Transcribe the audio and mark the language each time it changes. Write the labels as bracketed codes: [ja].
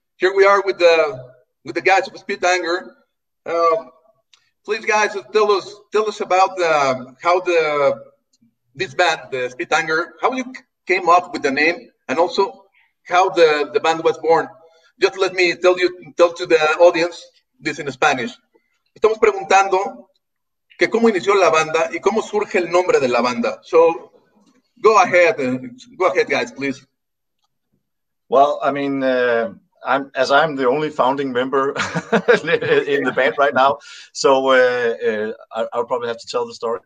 [en] Here we are with the guys of Spitanger. Please, guys, tell us about how this band, Spitanger, how you came up with the name, and also how the band was born. Just let me tell to the audience this in Spanish. [es] Estamos preguntando que cómo inició la banda y cómo surge el nombre de la banda. [en] So, go ahead, guys, please. Well, I mean, I'm the only founding member in the band right now, so I'll probably have to tell the story.